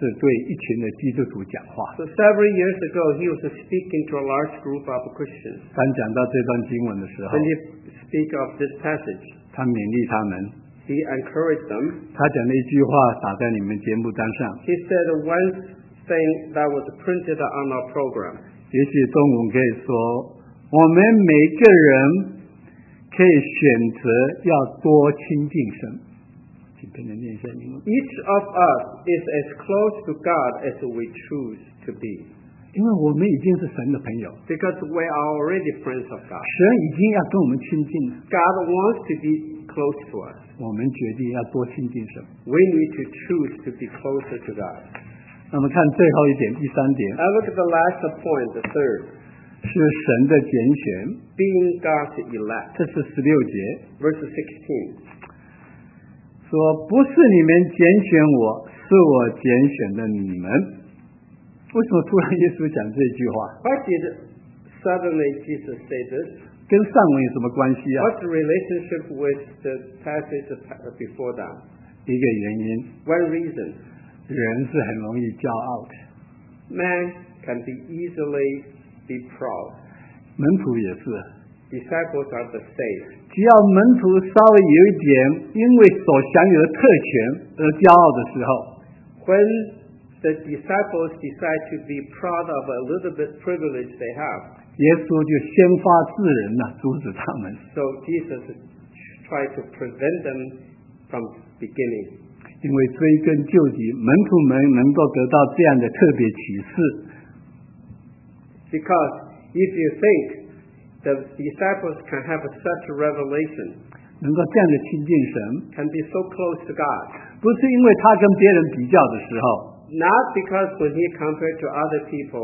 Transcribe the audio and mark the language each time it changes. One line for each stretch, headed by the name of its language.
Chinese: 好几年前他一次对一群的基督徒讲话。
English: So several years ago, he was speaking to a large group of Christians.
Chinese: 当讲到这段经文的时候,
English: when he speak of this passage,
Chinese: 他勉励他们。
English: He encouraged them.
Chinese: 他讲了一句话打在你们节目单上。
English: He said one thing that was printed on our program.
Chinese: 也许中文可以说, 我们每个人可以选择要多亲近神。
English: Each of us is as close to God as we choose to be.
Chinese: 因为我们已经是神的朋友,
English: because we are already friends of God.
Chinese: 神已经要跟我们亲近了,
English: God wants to be close to us.
Chinese: 我们决定要多亲近神,
English: we need to choose to be closer to God.
Chinese: 那么看最后一点, 第三点,
English: I look at the last point, the third.
Chinese: 是神的拣选,
English: being God's elect.
Chinese: 这是16节,
English: verse 16.
Chinese: 说不是你们拣选我, 是我拣选的你们。为什么突然耶稣讲这句话?
English: Why did suddenly Jesus say this?
Chinese: 跟上文有什么关系啊?
English: What's the relationship with the passage before that?
Chinese: 一个原因,
English: one reason.
Chinese: 人是很容易骄傲的。
English: Man can be easily be proud.
Chinese: 门徒也是。
English: Disciples are the same.
Chinese: 只要门徒稍微有一点因为所享有的特权而骄傲的时候,
English: when the disciples decide to be proud of a little bit privilege they have,
Chinese: 耶稣就先发制人了阻止他们,
English: so Jesus tried to prevent them from beginning.
Chinese: 因为追根究底, 门徒们能够得到这样的特别启示,
English: because if you think the disciples can have such a revelation,
Chinese: 能够这样的亲近神,
English: can be so close to God,
Chinese: 不是因为他跟别人比较的时候,
English: not because when he compared to other people,